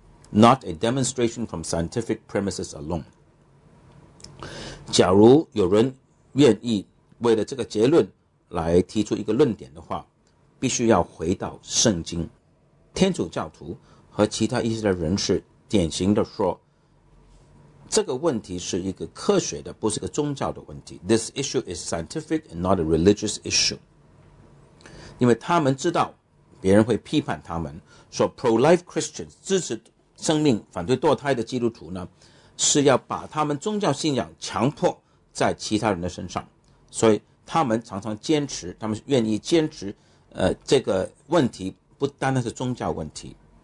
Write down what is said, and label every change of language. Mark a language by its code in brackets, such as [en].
[en] Not a demonstration from scientific premises alone。 [zh] 假如有人愿意为了这个结论来提出一个论点的话，必须要回到圣经。天主教徒和其他一些的人士典型的说，这个问题是一个科学的，不是个宗教的问题。 [en] This issue is scientific and not a religious issue。 [zh] 因为他们知道别人会批判他们，说 pro-life Christians 支持生命反对堕胎的基督徒呢，是要把他们宗教信仰强迫在其他人的身上，所以他们常常坚持，他们愿意坚持这个问题不单单是宗教问题。